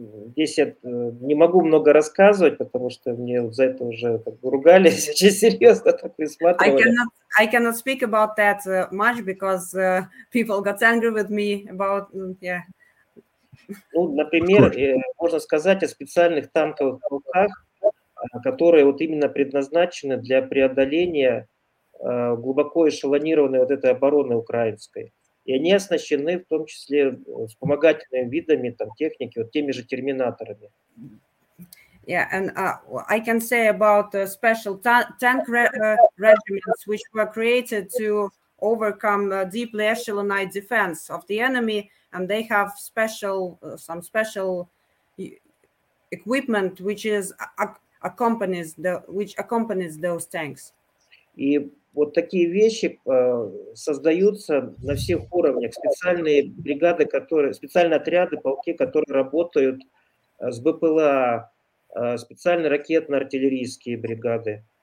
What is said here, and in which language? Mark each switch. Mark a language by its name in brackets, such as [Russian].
[Russian] Здесь я не могу много рассказывать, потому что мне за это уже так ругались, очень серьезно так присматривали. [English] I cannot speak about that much, because people got angry with me about, yeah. [Russian] Ну, например, можно сказать о специальных танковых полках, которые вот именно предназначены для преодоления глубоко эшелонированной вот этой обороны украинской. И они оснащены в том числе вспомогательными видами там, техники, вот теми же терминаторами. [English] Yeah, and I can say about special tank regiments, which were created to overcome deeply echelonized defense of the enemy, and they have special some special equipment, which is accompanies the which accompanies those tanks. [Russian] И вот такие вещи создаются на всех уровнях. Специальные бригады, которые специальные отряды, полки, которые работают с БПЛА, специальные ракетно-артиллерийские бригады.